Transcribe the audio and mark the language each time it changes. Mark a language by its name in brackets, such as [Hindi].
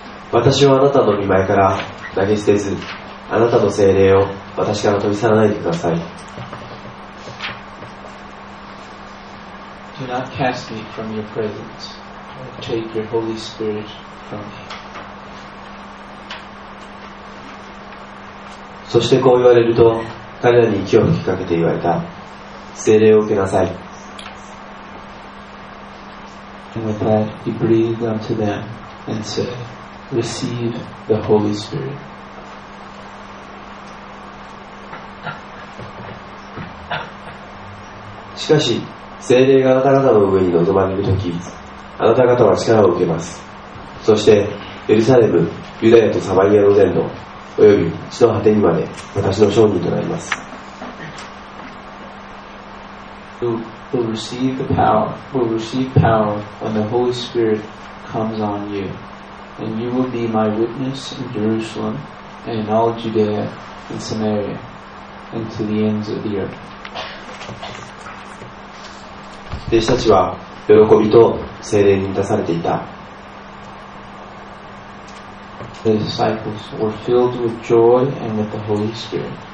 [Japanese] 私はあなたの御前から投げ捨てず、あなたの聖霊を私から取り去らないでください。 [English] Do not cast me from your presence, or take your Holy Spirit from me. [Japanese] そしてこう言われると、彼らに息を吹きかけて言われた。聖霊を受けなさい。 [English] And with that, he breathed unto them and said,Receive the Holy Spirit. [Japanese] しかし、聖霊があなた方の上に臨まれるとき、あなた方は力を受けます。そして、エルサレム、ユダヤとサマリアの全土、および地の果てにまで私の証人となります。 [English] Will receive power when the Holy Spirit comes on you. And you will be my witness in Jerusalem and in all Judea and Samaria and to the ends of the earth. [Japanese] 弟子たちは喜びと聖霊に満たされていた。 [English] The disciples were filled with joy and with the Holy Spirit.